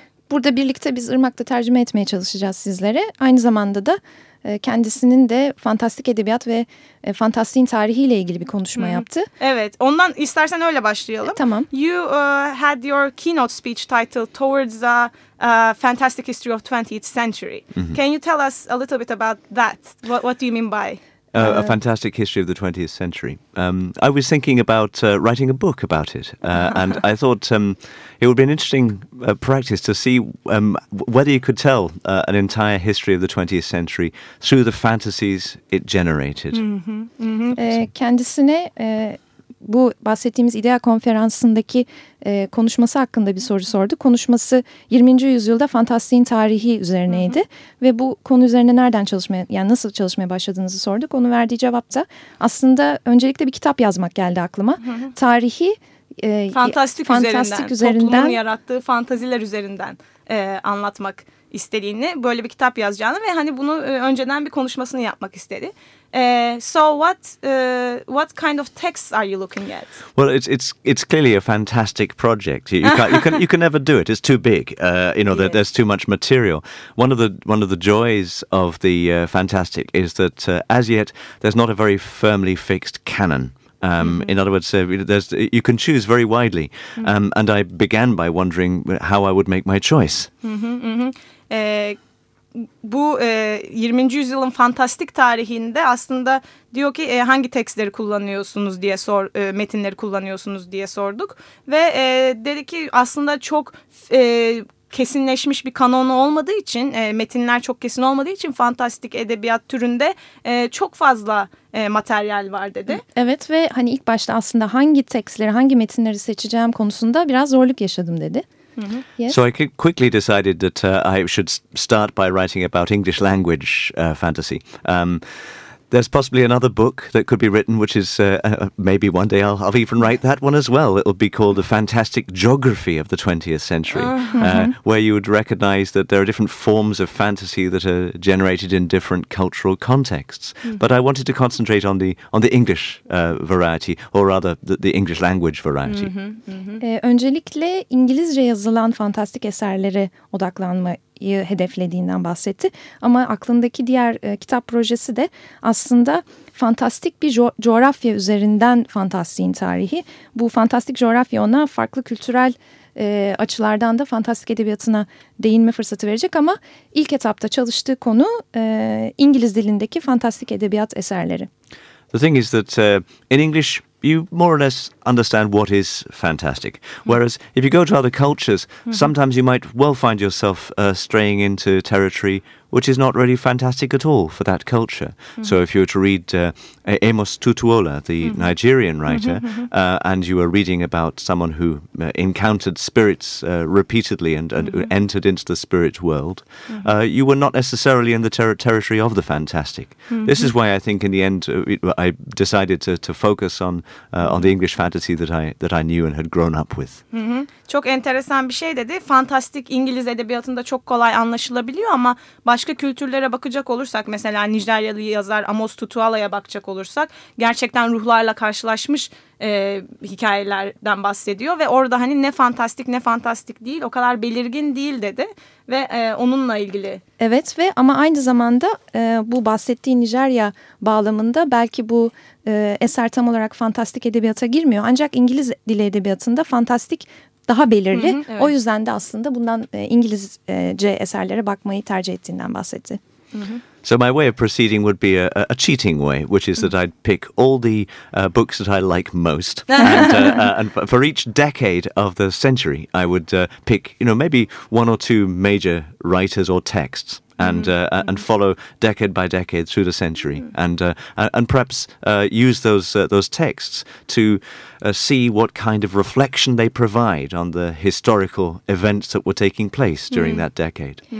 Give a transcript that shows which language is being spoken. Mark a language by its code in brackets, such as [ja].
[tr] Burada birlikte biz Irmak'ta tercüme etmeye çalışacağız sizlere. Aynı zamanda da kendisinin de fantastik edebiyat ve fantastiğin tarihiyle ilgili bir konuşma yaptı. Evet, ondan istersen öyle başlayalım. Tamam. [en] You had your keynote speech titled Towards a Fantastic History of 20th Century. Mm-hmm. Can you tell us a little bit about that? What do you mean by? A Fantastic History of the 20th Century. I was thinking about writing a book about it. And I thought it would be an interesting practice to see whether you could tell an entire history of the 20th century through the fantasies it generated. Mm-hmm. Mm-hmm. [tr] Kendisine bu bahsettiğimiz İDEA konferansındaki konuşması hakkında bir soru sordu. Konuşması 20. yüzyılda fantastiğin tarihi üzerineydi. Hı-hı. Ve bu konu üzerine nereden çalışmaya, yani nasıl çalışmaya başladığınızı sorduk. Onu verdiği cevap da aslında öncelikle bir kitap yazmak geldi aklıma. Hı-hı. Tarihi fantastik üzerinden, toplumun yarattığı fantaziler üzerinden anlatmak istediğini, böyle bir kitap yazacağını ve hani bunu önceden bir konuşmasını yapmak istedi. [en] So what kind of texts are you looking at? Well, it's clearly a fantastic project. You can never do it. It's too big. Yes. There's too much material. One of the joys of the fantastic is that as yet there's not a very firmly fixed canon. In other words, you can choose very widely. Mm-hmm. And I began by wondering how I would make my choice. [tr] Bu 20. yüzyılın fantastik tarihinde aslında diyor ki hangi tekstleri kullanıyorsunuz diye metinleri kullanıyorsunuz diye sorduk. Ve dedi ki aslında çok kesinleşmiş bir kanonu olmadığı için, metinler çok kesin olmadığı için fantastik edebiyat türünde çok fazla materyal var dedi. Evet ve hani ilk başta aslında hangi tekstleri, hangi metinleri seçeceğim konusunda biraz zorluk yaşadım dedi. Mm-hmm. [en] Yes. So I quickly decided that I should start by writing about English language fantasy. There's possibly another book that could be written, which is maybe one day I'll even write that one as well. It'll be called The Fantastic Geography of the 20th Century, where you would recognize that there are different forms of fantasy that are generated in different cultural contexts. Mm-hmm. But I wanted to concentrate on the English variety, or rather the English language variety. [tr] Öncelikle İngilizce yazılan fantastik eserlere odaklanmak hedeflediğinden bahsetti. Ama aklındaki diğer kitap projesi de aslında fantastik bir coğrafya üzerinden fantastiğin tarihi. Bu fantastik coğrafya ona farklı kültürel açılardan da fantastik edebiyatına değinme fırsatı verecek. Ama ilk etapta çalıştığı konu İngiliz dilindeki fantastik edebiyat eserleri. [en] The thing is that in English you more or less understand what is fantastic. Whereas if you go to other cultures, sometimes you might well find yourself straying into territory which is not really fantastic at all for that culture. So if you were to read Amos Tutuola, the Nigerian writer, and you were reading about someone who encountered spirits repeatedly and entered into the spirit world, you were not necessarily in the territory of the fantastic. This is why I think in the end I decided to focus on the English fantasy that I knew and had grown up with. [tr] Çok enteresan bir şey dedi. Fantastik İngiliz edebiyatında çok kolay anlaşılabiliyor ama başka kültürlere bakacak olursak, mesela Nijeryalı yazar Amos Tutuola'ya bakacak olursak, gerçekten ruhlarla karşılaşmış hikayelerden bahsediyor. Ve orada hani ne fantastik ne fantastik değil, o kadar belirgin değil dedi. Ve onunla ilgili. Evet, ve ama aynı zamanda bu bahsettiği Nijerya bağlamında belki bu eser tam olarak fantastik edebiyata girmiyor. Ancak İngiliz dili edebiyatında fantastik daha belirli. Evet. O yüzden de aslında bundan İngilizce eserlere bakmayı tercih ettiğinden bahsetti. [en] So my way of proceeding would be a cheating way, which is that I'd pick all the books that I like most, and for each decade of the century, I would pick, you know, maybe one or two major writers or texts. And follow decade by decade through the century, and perhaps use those texts to see what kind of reflection they provide on the historical events that were taking place during that decade.